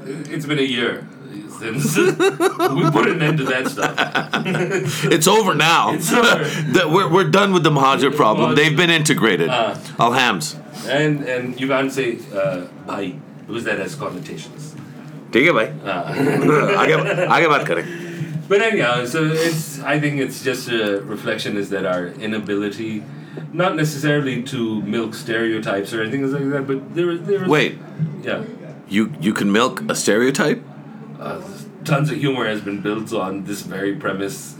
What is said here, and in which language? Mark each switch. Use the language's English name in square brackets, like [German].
[English] It's been a year since we put an end to that stuff. It's over now. It's over. We're done with the Mahajir problem. Mahajir. They've been integrated. Alhams. And you can't say bhai, because that has connotations. [Urdu] Okay, بھائی. آگے بات کرے. [English] But anyhow, so it's. I think it's just a reflection is that our inability, not necessarily to milk stereotypes or anything like that, but there is. Wait. Yeah. You can milk a stereotype? Tons of humor has been built on this very premise.